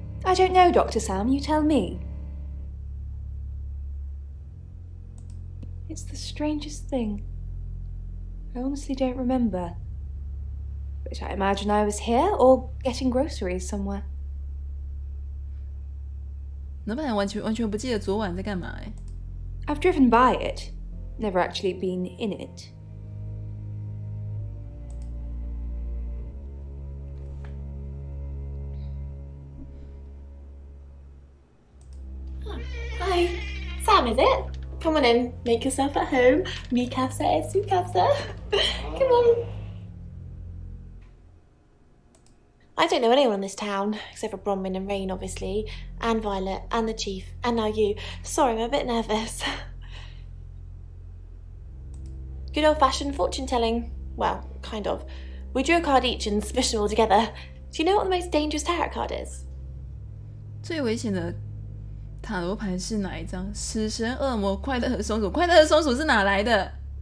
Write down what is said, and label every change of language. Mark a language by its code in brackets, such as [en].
[en] I don't know, Dr. Sam. You tell me. It's the strangest thing. I honestly don't remember. But I imagine I was here or getting groceries somewhere. [zh] 老闆完全不記得昨晚在幹嘛欸。 [en] I've driven by it. Never actually been in it. Hi. Sam, is it? Come on in. Make yourself at home. [es] Mi casa es su casa. Come on. [en] I don't know anyone in this town, except for Bronwyn and Rain, obviously, and Violet, and the Chief, and now you. Sorry, I'm a bit nervous. Good old-fashioned fortune-telling. Well, kind of. We drew a card each and smushed them all together. Do you know what the most dangerous tarot card is? [zh] 最危险的塔罗牌是哪一张?死神、恶魔、快乐和松鼠是哪来的?